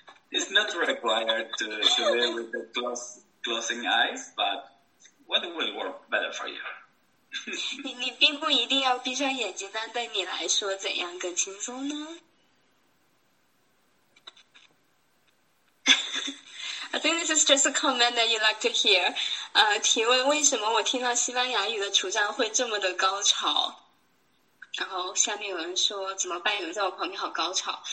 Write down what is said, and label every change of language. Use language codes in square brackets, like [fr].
[en] It's not required to live with the closing eyes, but what will work better for you? [zh] 你并不一定要闭上眼睛，但对你来说，怎样更轻松呢？ [en] I think this is just a comment that you like to hear. [zh] 提问为什么我听到西班牙语的主张会这么的高潮？然后下面有人说怎么办？有人在我旁边好高潮。